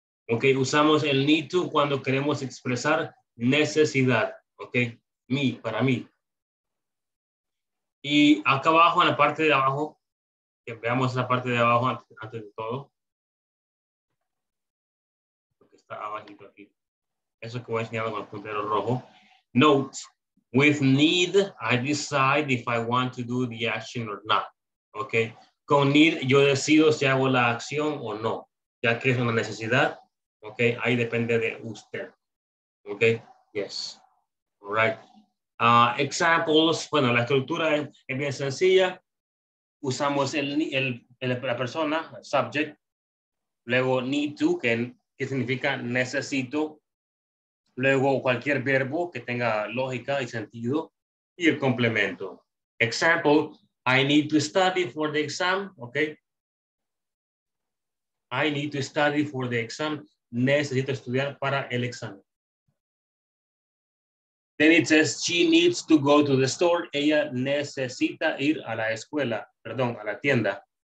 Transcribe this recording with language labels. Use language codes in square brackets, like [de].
[es] Okay, usamos el need to cuando queremos expresar necesidad. Okay, me, para mí. Y acá abajo, en la parte de abajo, que veamos la parte de abajo antes de todo. Porque está abajito aquí. Eso que voy a enseñar con el puntero rojo. [en] Note, with need, I decide if I want to do the action or not. [es] Okay, con need, yo decido si hago la acción o no. Ya que es una necesidad, ok, ahí depende de usted, ok, [en] yes, all right. [es] Examples, bueno, la estructura es bien sencilla, usamos la persona, subject, luego need to, que significa necesito, luego cualquier verbo que tenga lógica y sentido, y el complemento. [en] Example, I need to study for the exam, ok. I need to study for the exam. [es] Necesito estudiar para el examen. [en] Then it says she needs to go to the store. [es] Ella necesita ir a la escuela, perdón, a la tienda.